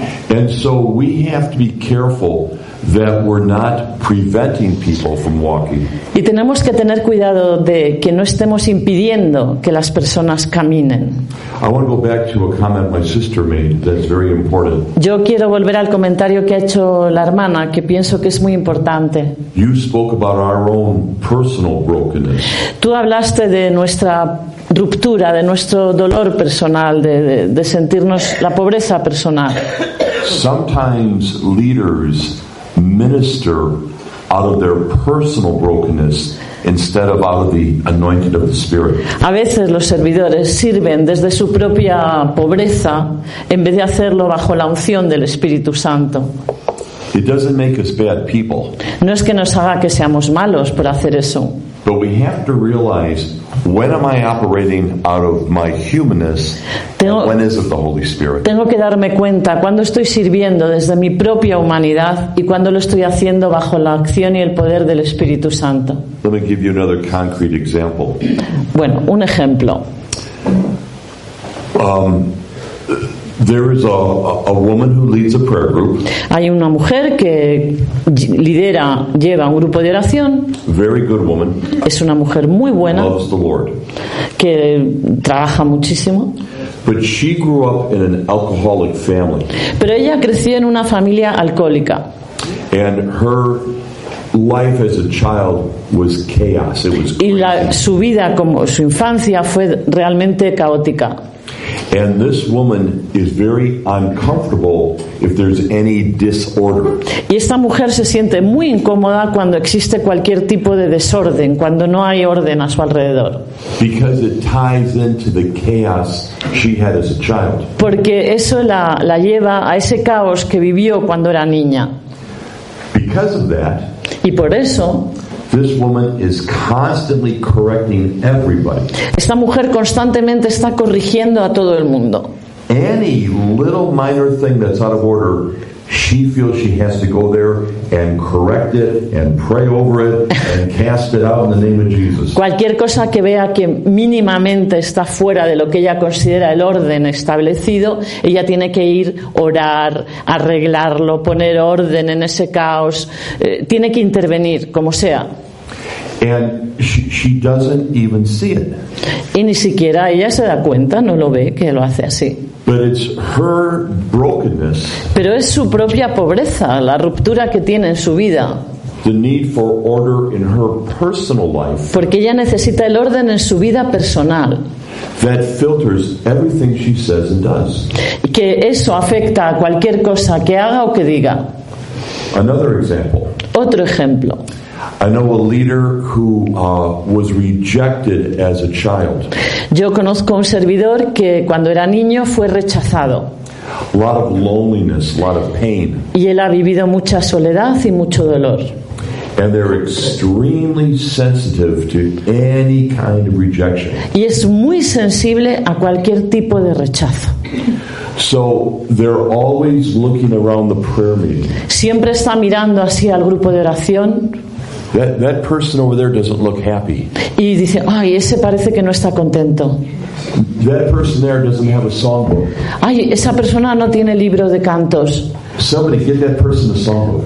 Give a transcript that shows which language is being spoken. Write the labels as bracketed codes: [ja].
[en] And so we have to be careful that we're not preventing people from walking. [es] Y tenemos que tener cuidado de que no estemos impidiendo que las personas caminen. [en] I want to go back to a comment my sister made that's very important. [es] Yo quiero volver al comentario que ha hecho la hermana, que pienso que es muy importante. [en] You spoke about our own personal brokenness. [es] Tú hablaste de nuestra ruptura, de nuestro dolor personal, de sentirnos la pobreza personal. [en] Sometimes leaders minister out of their personal brokenness instead of out of the anointed of the Spirit. [es] A veces los servidores sirven desde su propia pobreza en vez de hacerlo bajo la unción del Espíritu Santo. [en] It doesn't make us bad people. [es] No es que nos haga que seamos malos por hacer eso. [en] But we have to realize, when am I operating out of my humanness, and when is it the Holy Spirit? [es] Tengo que darme cuenta cuando estoy sirviendo desde mi propia humanidad y cuando lo estoy haciendo bajo la acción y el poder del Espíritu Santo. [en] Let me give you another concrete example. [es] Bueno, un ejemplo. [en] There is a woman who leads a prayer group. [es] Hay una mujer que lleva un grupo de oración. [en] Very good woman. [es] Es una mujer muy buena. [en] Loves the Lord. [es] Que trabaja muchísimo. [en] But she grew up in an alcoholic family. [es] Pero ella creció en una familia alcohólica. [en] And her life as a child was chaos. It was crazy. [es] Y su vida, como su infancia, fue realmente caótica. [en] And this woman is very uncomfortable if there's any disorder. [es] Y esta mujer se siente muy incómoda cuando existe cualquier tipo de desorden, cuando no hay orden a su alrededor. [en] Because it ties into the chaos she had as a child. [es] Porque eso la lleva a ese caos que vivió cuando era niña. [en] Because of that, [es] y por eso, [en] This woman is constantly correcting everybody. [es] Esta mujer constantemente está corrigiendo a todo el mundo. [en] Any little minor thing that's out of order, she feels she has to go there and correct it and pray over it and cast it out in the name of Jesus. [es] Cualquier cosa que vea que mínimamente está fuera de lo que ella considera el orden establecido, ella tiene que ir orar, arreglarlo, poner orden en ese caos, tiene que intervenir como sea. [en] And she doesn't even see it. [es] Y ni siquiera ella se da cuenta, no lo ve que lo hace así. [en] But it's her brokenness. [es] Pero es su propia pobreza, la ruptura que tiene en su vida. [en] The need for order in her personal life. [es] Porque ella necesita el orden en su vida personal. [en] That filters everything she says and does. [es] Y que eso afecta a cualquier cosa que haga o que diga. [en] Another example. [es] Otro ejemplo. [en] I know a leader who was rejected as a child. [es] Yo conozco un servidor que cuando era niño fue rechazado. [en] A lot of loneliness, a lot of pain. [es] Y él ha vivido mucha soledad y mucho dolor. [en] And they're extremely sensitive to any kind of rejection. [es] Y es muy sensible a cualquier tipo de rechazo. [en] So they're always looking around the prayer meeting. [es] Siempre está mirando así al grupo de oración. [en] That person over there doesn't look happy. [es] Y dice, ay, ese parece que no está contento. [en] That person there doesn't have a songbook. [es] Ay, esa persona no tiene libro de cantos. [en] Somebody get that person a songbook.